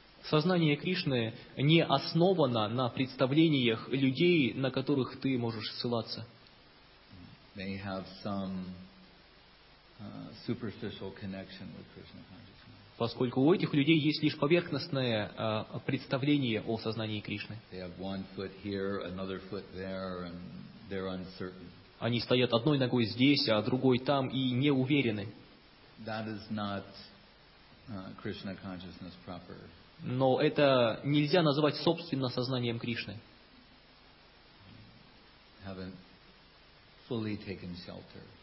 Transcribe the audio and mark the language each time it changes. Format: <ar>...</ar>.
<ru>Сознание Кришны не основано на представлениях людей, на которых ты можешь ссылаться.</ru> <en>They have some superficial connection with Krishna consciousness.</en> <ru>поскольку у этих людей есть лишь поверхностное представление о сознании Кришны.</ru> <en>They have one foot here, another foot there, and they're uncertain.</en> <ru>Они стоят одной ногой здесь, а другой там, и не уверены.</ru> <en>That is not Krishna consciousness proper.</en> <ru>Но это нельзя называть собственно сознанием Кришны.</ru> <en>Haven't fully taken shelter.</en>